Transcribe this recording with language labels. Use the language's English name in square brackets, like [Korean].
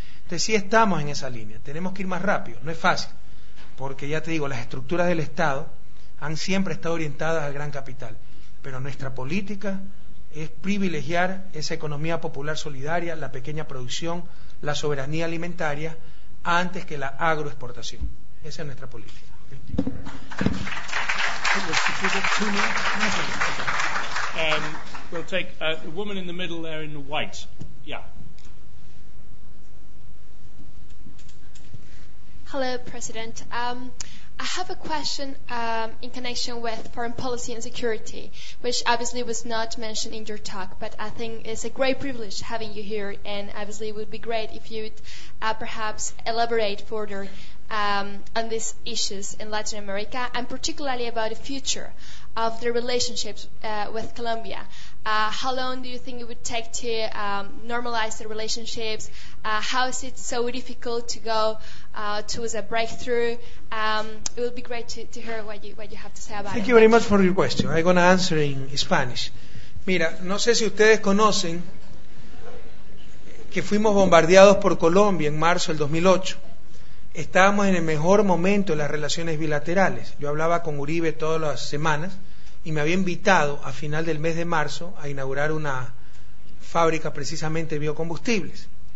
[Spanish] Entonces sí estamos en esa línea, tenemos que ir más rápido, no es fácil, porque ya te digo, las estructuras del Estado han siempre estado orientadas al gran capital, pero nuestra política es privilegiar esa economía popular solidaria, la pequeña producción, la soberanía alimentaria, antes que la agroexportación. Esa es nuestra política. [English] We'll take the woman in the middle there in the white. Yeah. Hello, President. I have a question in connection with foreign policy and security, which obviously was not mentioned in your talk, but I think it's a great privilege having you here, and obviously it would be great if you'd perhaps elaborate further on these issues in Latin America, and particularly about the future of the relationships with Colombia. How long do you think it would take to normalize the relationships? How is it so difficult to go towards a breakthrough? It would be great to hear what you have to say about it. Thank you very much for your question. I'm going to answer in Spanish. [Spanish] Mira, no sé si ustedes conocen que fuimos bombardeados por Colombia en marzo del 2008. Estábamos en el mejor momento de las relaciones bilaterales. Yo hablaba con Uribe todas las semanas y me había invitado a final del mes de marzo a inaugurar una fábrica precisamente de biocombustibles.